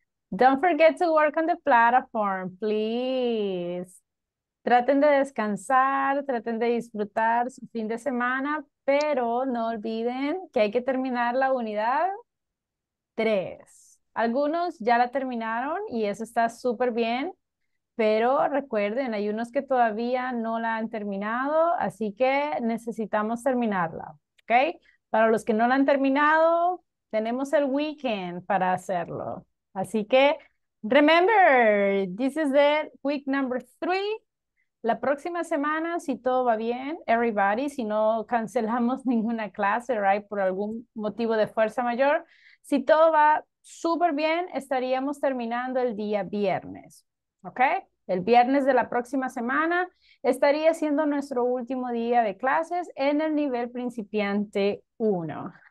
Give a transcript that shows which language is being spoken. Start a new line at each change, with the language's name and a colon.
English: Don't forget to work on the platform, please.
Spanish: Traten de descansar, traten de disfrutar su fin de semana, pero no olviden que hay que terminar la unidad 3. Algunos ya la terminaron y eso está súper bien, pero recuerden, hay unos que todavía no la han terminado, así que necesitamos terminarla, ¿ok? Para los que no la han terminado, tenemos el weekend para hacerlo.
English: Así que, remember, this is the week number 3.
Spanish: La próxima semana, si todo va bien, everybody, si no cancelamos ninguna clase, right, por algún motivo de fuerza mayor, si todo va súper bien, estaríamos terminando el día viernes, ¿ok? El viernes de la próxima semana estaría siendo nuestro último día de clases en el nivel principiante 1.